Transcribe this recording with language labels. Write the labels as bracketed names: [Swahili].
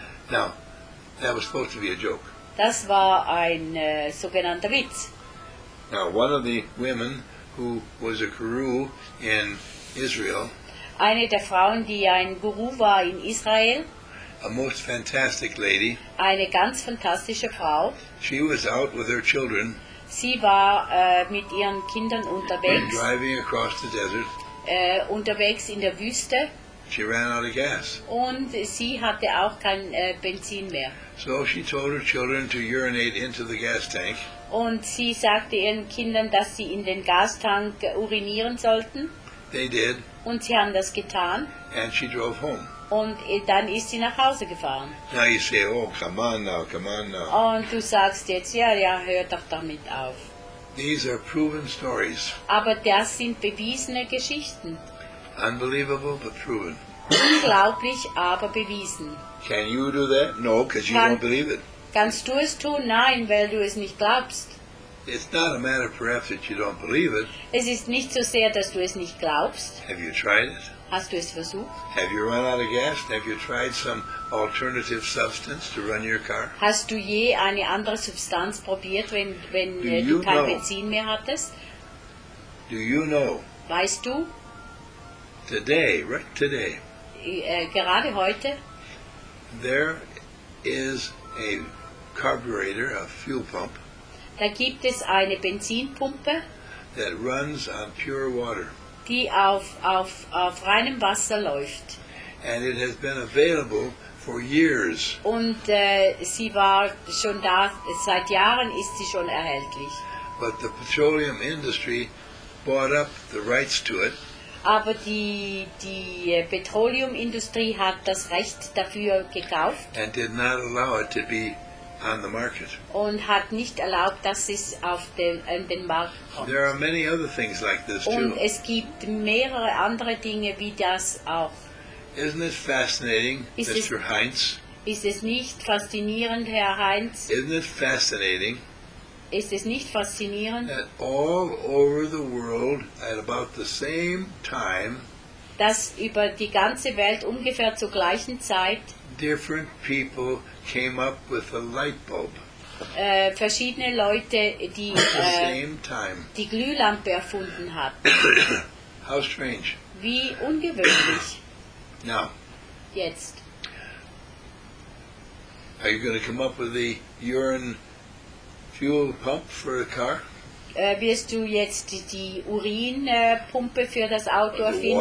[English] Now, that was supposed to be a joke. [German] Das war ein sogenannter Witz. [English] Now, one of the women who was a guru in Israel. [German] Eine der Frauen, die ein Guru war in Israel. [English] A most fantastic lady. [German] Eine ganz fantastische Frau. [English] She was out with her children. [German] Sie war mit ihren Kindern unterwegs. [English] Driving across the desert. [German] Unterwegs in der Wüste. [English] She ran out of gas. [German] Und sie hatte auch kein Benzin mehr. [English] So she told her children to urinate into the gas tank. [German] Und sie sagte ihren Kindern, dass sie in den Gastank urinieren sollten. [English] They did. [German] Und sie haben das getan. [English] And she drove home. [German] Und dann ist sie nach Hause gefahren. [English] Now you say, oh, come on now, come on now. [German] Und du sagst jetzt, ja, hör doch damit auf. [English] These are proven stories. [German] Aber das sind bewiesene Geschichten. [English] Unbelievable, but proven. [German] Unglaublich, aber bewiesen. [English] Can you do that? No, because you don't believe it. [German] Kannst du es tun? Nein, weil du es nicht glaubst. [English] It's not a matter perhaps that you don't believe it. [German] Es ist nicht so sehr, dass du es nicht glaubst. [English] Have you tried it? [German] Hast du es versucht? [English] Have you run out of gas? Have you tried some alternative substance to run your car? [German] Hast du je eine andere Substanz probiert, wenn du kein Benzin mehr hattest? [English] Do you know? [German] Weißt du? [English] Today, right today. [German] Gerade heute. [English] There is a carburetor, a fuel pump. [German] Da gibt es eine Benzinpumpe. [English] That runs on pure water. [German] Die auf reinem Wasser läuft. [English] And it has been available for years. [German] Und sie war schon da, seit Jahren ist sie schon erhältlich. [English] But the petroleum industry bought up the rights to it. [German] Aber die Petroleumindustrie hat das Recht dafür gekauft. [English] And did not allow it to be on the market. [German] Und hat nicht erlaubt, dass es auf den Markt kommt. [English] There are many other things like this too. [German] Und es gibt mehrere andere Dinge wie das auch. [English] Isn't it fascinating, Mr. Heinz? [German] Ist es nicht faszinierend, Herr Heinz? [English] Isn't it fascinating? [German] Ist es nicht faszinierend? [English] That all over the world at about the same time. [German] Dass über die ganze Welt ungefähr zur gleichen Zeit. [English] Different people came up with a light bulb. [German] Verschiedene Leute, die die Glühlampe erfunden haben. [English] How strange. [German] Wie ungewöhnlich. [English] Now. [German] Jetzt. [English] Are you going to come up with the urine fuel pump for a car? [German] Wirst du jetzt die Urinpumpe für das Auto erfinden?